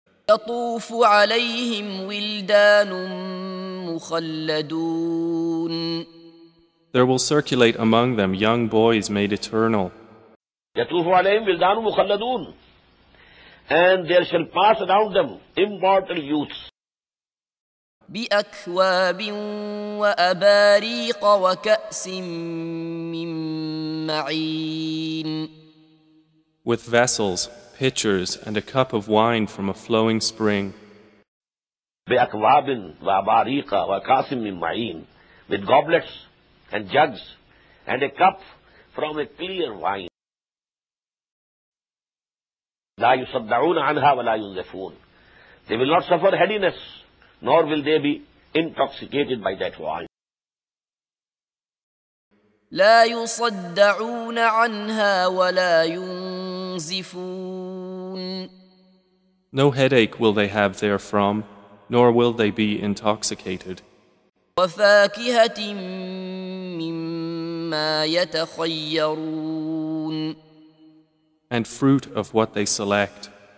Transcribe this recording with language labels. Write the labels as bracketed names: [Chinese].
[Arabic] يطوف عليهم ولدان مخلدون. يَخْلُدُونَ [English] There will circulate among them young boys made eternal. [Arabic] يَتُوفُ عَلَيْهِمْ وِلْدَانُ مُخَلَّدُونَ [English] And there shall pass around them immortal youths. [Arabic] بِأَكْوَابٍ وَأَبَارِيقَ وَكَأْسٍ مِّن مَّعِينٍ [English] With vessels, pitchers, and a cup of wine from a flowing spring. [Arabic] بِأَكْوَابٍ وَأَبَارِيقَ وَكَأْسٍ مِّن مَّعِينٍ [English] With goblets and jugs and a cup from a clear wine. [Arabic] لَا يُصَدَّعُونَ عَنْهَا وَلَا يُنزَفُونَ [English] They will not suffer headiness. Nor will they be intoxicated by that wine. [Arabic] لا يصدعون عنها ولا ينزفون. [English] No headache will they have therefrom, nor will they be intoxicated. [Arabic] وفاكهة مما يتخيرون. [English] And fruit of what they select.